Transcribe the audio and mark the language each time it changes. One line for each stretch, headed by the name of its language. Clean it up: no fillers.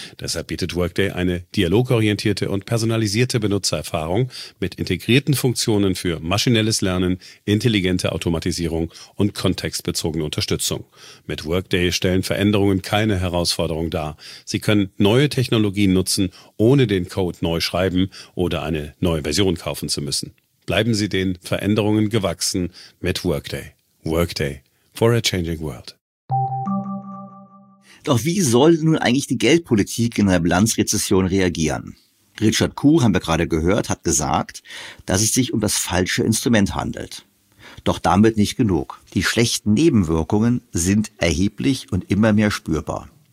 German: Deshalb bietet Workday eine dialogorientierte und personalisierte Benutzererfahrung mit integrierten Funktionen für maschinelles Lernen, intelligente Automatisierung und kontextbezogene Unterstützung. Mit Workday stellen Veränderungen keine Herausforderung dar. Sie können neue Technologien nutzen, ohne den Code neu schreiben oder eine neue Version kaufen zu müssen. Bleiben Sie den Veränderungen gewachsen mit Workday.
English: Workday for a changing world.
German: Doch wie soll nun eigentlich die Geldpolitik in einer Bilanzrezession reagieren? Richard Koo, haben wir gerade gehört, hat gesagt, dass es sich um das falsche Instrument handelt. Doch damit nicht genug. Die schlechten Nebenwirkungen sind erheblich und immer mehr spürbar.